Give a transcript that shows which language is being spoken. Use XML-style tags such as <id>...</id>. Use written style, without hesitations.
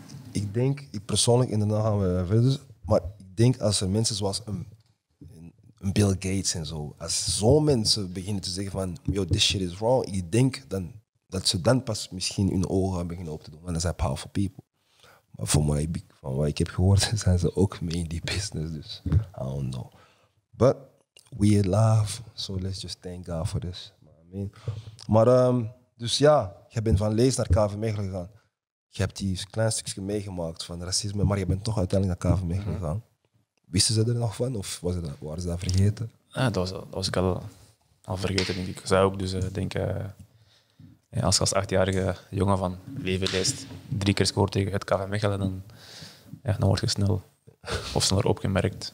<nl>Ik denk, ik persoonlijk, in de naam gaan we verder, maar ik denk als er mensen zoals een Bill Gates en zo, als zo'n mensen beginnen te zeggen van yo,</nl> <en>this shit is wrong,</en> <nl>ik denk dan, dat ze dan pas misschien hun ogen gaan beginnen op te doen, want dat zijn</nl> <en>powerful people.</en> <nl>Maar van wat ik heb gehoord, zijn ze ook mee in die business, dus</nl> <en>I don't know. But we love, so let's just thank God for this.</en> <nl>Maar dus ja, je bent van Lees naar KV Mechelen gegaan. Je hebt die klein stukje meegemaakt van racisme, maar je bent toch uiteindelijk naar KV Mechelen gegaan. Wisten ze er nog van of waren ze dat vergeten? Ja, dat was ik al vergeten, denk ik. Zij ook, dus denk als je als 8-jarige jongen van leven leest, 3 keer scoort tegen het KV Mechelen, dan word je sneller opgemerkt.</nl>